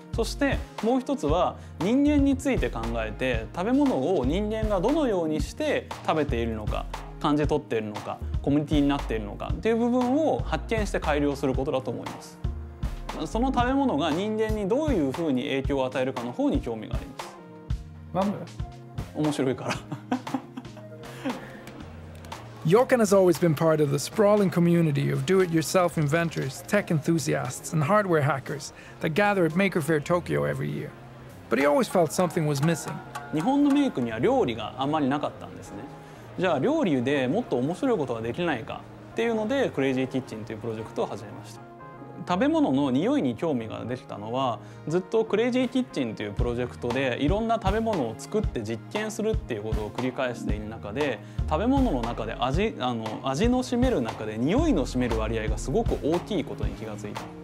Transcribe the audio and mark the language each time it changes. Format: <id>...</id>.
<ja>そしてもう1つは人間について考えて、食べ物を人間がどのようにして食べているのか、感じ取っているのか、コミュニティになっているのかっていう部分を発見して改良することだと思います。その食べ物が人間にどういうふうに影響を与えるかの方に興味があります。なんで？面白いから。</ja> <en>Jochen has always been part of the sprawling community of do-it-yourself inventors, tech enthusiasts, and hardware hackers that gather at Maker Faire Tokyo every year. But he always felt something was missing.</en> <ja>日本のメイクには料理があんまりなかったんですね。じゃあ料理でもっと面白いことができないかっていうので、クレイジーキッチンというプロジェクトを始めました。食べ物の匂いに興味が出てきたのは、ずっとクレイジーキッチンというプロジェクトでいろんな食べ物を作って実験するっていうことを繰り返している中で、食べ物の中で味の占める中で匂いの占める割合がすごく大きいことに気がついた。</ja>